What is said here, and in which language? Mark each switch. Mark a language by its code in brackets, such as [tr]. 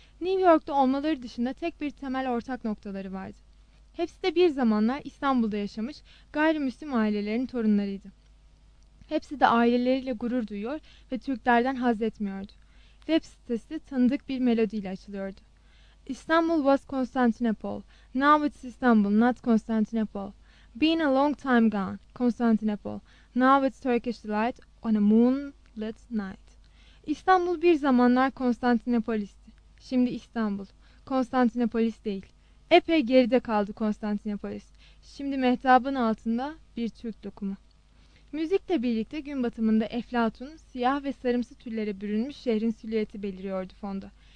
[tr] New York'ta olmaları dışında tek bir temel ortak noktaları vardı. Hepsi de bir zamanlar İstanbul'da yaşamış gayrimüslim ailelerin torunlarıydı. Hepsi de aileleriyle gurur duyuyor ve Türklerden haz etmiyordu. Web sitesi tanıdık bir melodiyle açılıyordu. [en] İstanbul was Constantinople, now it's Istanbul, not Constantinople. Been a long time gone, Constantinople, now it's Turkish delight, on a moonlit night. [tr] İstanbul bir zamanlar Konstantinopolis'ti. Şimdi İstanbul. Konstantinopolis değil. Epey geride kaldı Konstantinopolis. Şimdi mehtabın altında bir Türk dokumu. Müzikle birlikte gün batımında Eflatun, siyah ve sarımsı tüllere bürünmüş şehrin silüeti beliriyordu fonda.